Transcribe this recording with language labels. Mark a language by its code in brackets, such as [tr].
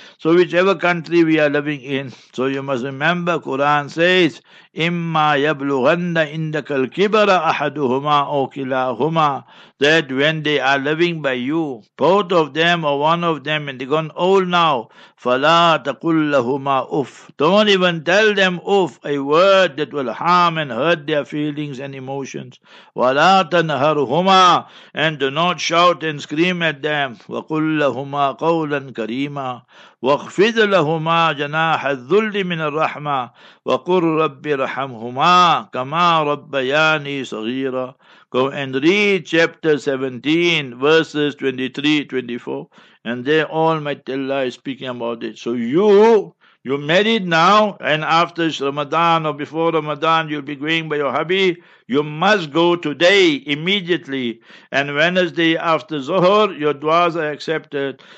[en] So whichever country we are living in. So you must remember, Quran says, [ar] Imma yablughanna indaka al-kibara ahaduhuma aw kilahuma, [en] that when they are living by you, both of them or one of them, and they gone old now, [ar] fala taqul lahuma uff, [en] don't even tell them uff, a word that will harm and hurt their feelings and emotions. [ar] Wala tanharhuma, [en] and do not shout and scream at them. [ar] Wa qul lahuma qawlan karima, واخفض لهما جناح الذل من الرحمة وقل رب ارحمهما كما ربياني صغيرا. [en] Go and read chapter 17, verses 23, 24, and there Almighty Allah is speaking about it. So you married now, and after Ramadan or before Ramadan, you'll be going by your hubby. You must go today, immediately. And Wednesday after Zuhur, your du'as are accepted.